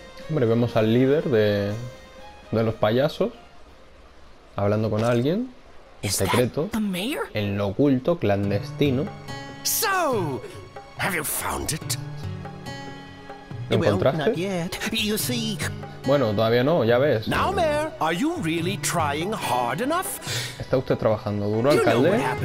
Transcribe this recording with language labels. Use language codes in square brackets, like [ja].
[es] Hombre, vemos al líder de los payasos hablando con alguien en secreto, en lo oculto, clandestino. [en] So, have you found it? [es] ¿Lo encontraste? [en] Well, not yet. You see, [es] bueno, todavía no, ya ves. [en] Now, Mayor, are you really trying hard enough? [es] ¿Está usted trabajando duro, alcalde?